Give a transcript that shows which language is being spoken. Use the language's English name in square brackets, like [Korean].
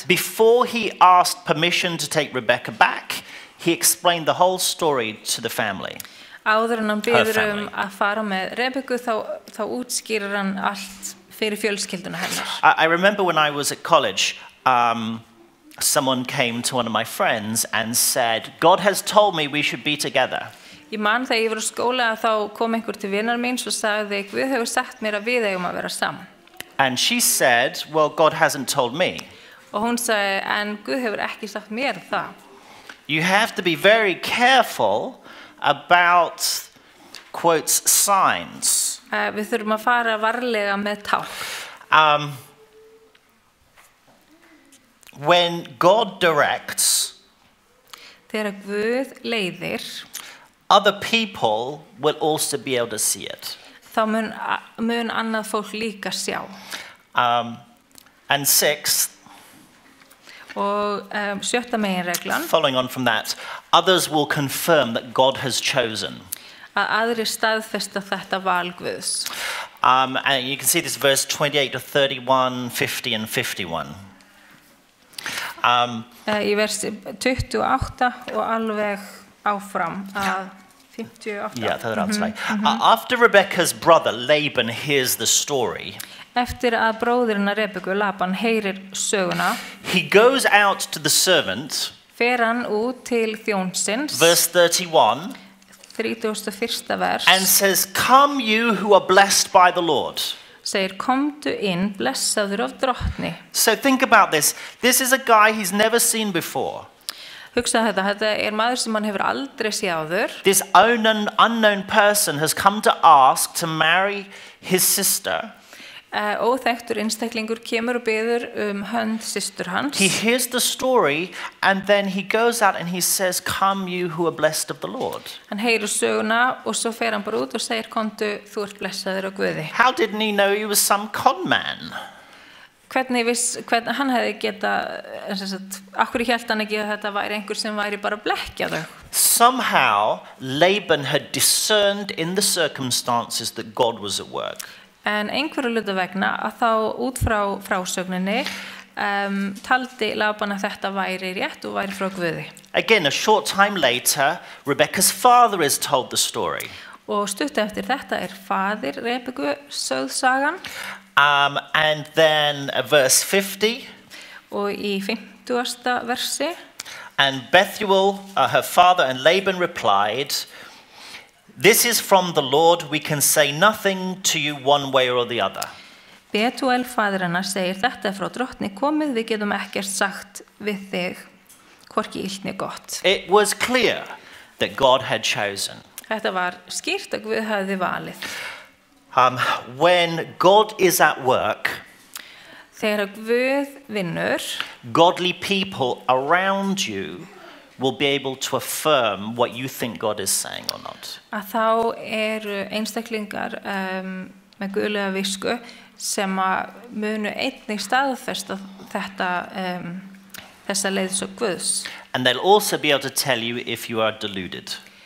[English] Before he asked permission to take Rebecca back, he explained the whole story to the family. [Icelandic] Áður en hann biður að fara með Rebekku, þá útskýrir hann allt fyrir fjölskylduna hennar. [English] I remember when I was at college, someone came to one of my friends and said, God has told me we should be together. [Icelandic] Ég man þegar ég var á skóla að þá kom einhver til vinar mín og sagði, Guð hefur sagt mér að við eigum að vera saman. [English] And she said, well, God hasn't told me. [Icelandic] Og hún sagði, en Guð hefur ekki sagt mér það. [English] You have to be very careful about, quotes, signs. [Icelandic] Við þurfum að fara varlega með tákn. [English] When God directs, [Icelandic] þegar Guð leiðir, [English] other people will also be able to see it. [Icelandic] Þá mun annað fólk líka sjá. [English] And sixth, [Icelandic] og sjötta meginreglan, [English] following on from that, others will confirm that God has chosen. [Icelandic] Að aðrir staðfesta þetta val Guðs. [English] And you can see this verse 28 to 31, 50 and 51. [Icelandic] Í versi 28 og alveg áfram að 58. [English] Yeah, that's right. After Rebecca's brother Laban hears the story, [Icelandic] Eftir að bróðirinn að Rebekku, Laban, heyrir söguna. [English] He goes out to the servant. [Icelandic] Fer hann út til þjónsins. [English] Verse 31. [Icelandic] 31. vers. [English] And says, come you who are blessed by the Lord. [Icelandic] Segir, komdu inn, blessaður af drottni. [English] So think about this. This is a guy he's never seen before. [Icelandic] Hugsa þetta, þetta er maður sem hann hefur aldrei séð áður. [English] This unknown person has come to ask to marry his sister. [Icelandic] Óþekktur einstaklingur kemur og biður hönd systur hans. [English] He hears the story and then he goes out and he says, come you who are blessed of the Lord. [Icelandic] Hann heyrir söguna og svo fer hann bara út og segir, komdu, þú ert blessaður af Guði. [English] How did he know he was some con man? [Icelandic] Hvernig hann hefði geta, akkur hélt hann ekki að þetta væri einhver sem væri bara að blekja þau. [English] Somehow, Laban had discerned in the circumstances that God was at work. [Icelandic] En einhverju hluta vegna að þá út frá frásögninni taldi Laban að þetta væri rétt og væri frá Guði. [English] Again, a short time later, Rebecca's father is told the story. [Icelandic] Og stutt eftir þetta er faðir Rebekku sögð sagan. [English] And then verse 50. [Icelandic] Og í 50. versi. [English] And Bethuel, her father, and Laban replied, this is from the Lord, we can say nothing to you one way or the other. [Icelandic] Bethuel, faðir hennar, segir, þetta er frá drottni komið, við getum ekkert sagt við þig, hvorki illt né gott. [English] It was clear that God had chosen. [Icelandic] Þetta var skýrt að Guð hafði valið. [English] When God is at work, [Icelandic] þegar Guð vinnur, [English] godly people around you will be able to affirm what you think God is saying or not. [Icelandic] Að þá eru einstaklingar með guðlega visku sem að munu einnig staðfesta þetta þessa leiðsögn Guðs. [English] And they'll also be able to tell you if you are deluded.